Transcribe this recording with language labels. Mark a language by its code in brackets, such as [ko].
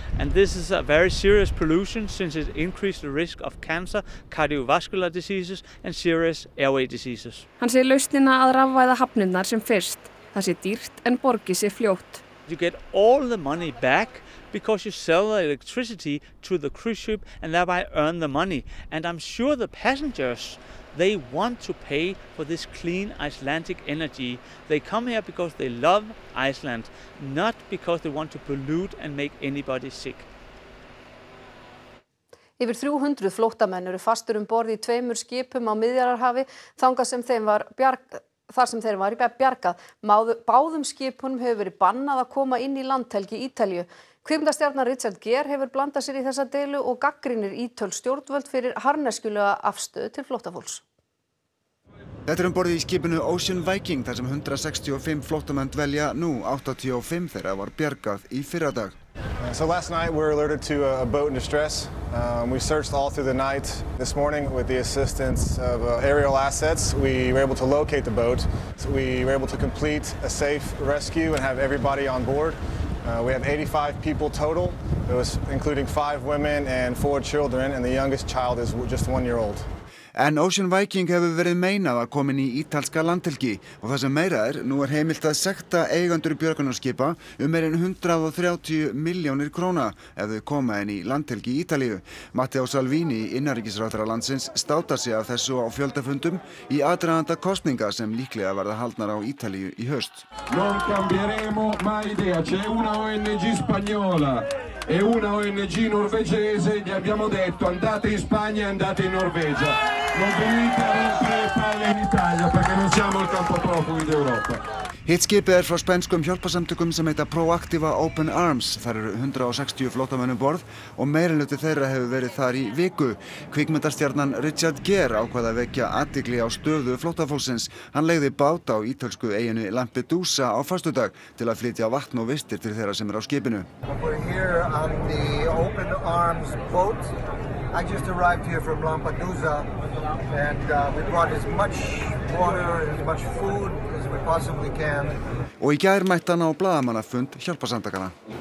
[en] And this is a very serious pollution since it increased the risk of cancer, cardiovascular diseases and serious airway diseases. [is] Hann segir lausnina að rafvæða hafnirnar sem fyrst. Það sé dýrt en borgi sé fljótt. [en] You get all the money back because you sell the electricity to the cruise ship and thereby earn the money. And I'm sure the passengers, they want to pay for this clean Icelandic energy. They come here because they love Iceland, not because they want to pollute and make anybody sick. [is] Yfir 300 flóttamenn eru fastur um borð í tveimur skipum á Miðjarðarhafi þangað sem þeim var bjargað. Þar sem þeir var í bjargað, báðum skipunum hefur verið bannað að koma inn í landhelgi Ítalíu. Kvikmyndastjarnan Richard Gere hefur blandað sér í þessa deilu og gagnrýnir ítölsk stjórnvöld fyrir harneskjulega afstöðu til flóttafólks. Þetta er um borðið í skipinu Ocean Viking þar sem 165 flóttamenn dvelja nú 85 þeirra var bjargað í fyrradag. [en] So last night we were alerted to a boat in distress. We searched all through the night. This morning with the assistance of aerial assets, we were able to locate the boat. So we were able to complete a safe rescue and have everybody on board. We have 85 people total. It was including 5 women and 4 children and the youngest child is just 1 year old. [is] En Ocean Viking hefur verið meinað að komin í ítalska landhelgi og það sem meira nú er heimilt að sekta eigendur björgunarskipa meir en 130 milljónir króna ef þau koma inn í landhelgi Ítalíu. Matteo Salvini, innanríkisráðherra landsins, státar sig af þessu á fjöldafundum í aðdraganda kosninga sem líklega verða haldnar á Ítalíu í haust. [it] Non cambieremo mai idea, c'è una ONG spagnola. E una ONG norvegese gli abbiamo detto andate in Spagna e andate in Norvegia. Non venite a rompere le palle in Italia perché non siamo il campo profughi d'Europa. [is] Hitt skipið frá spænskum hjálparsamtökum sem heita Proactiva Open Arms. Þar eru 160 flóttamenn um borð og meirinluti þeirra hefur verið þar í viku. Kvikmyndastjarnan Richard Gere ákvað að vekja athygli á stöðu flóttafólksins. Hann legði bát á ítölsku eyjunni Lampedusa á föstudag til að flytja vatn og vistir til þeirra sem eru á skipinu. [en] We're here on the Open Arms boat. I just arrived here from Lampedusa and we brought as much water and as much food. [is] Og í gær mætti hann á blaðamannafund hjálparsamtakanna.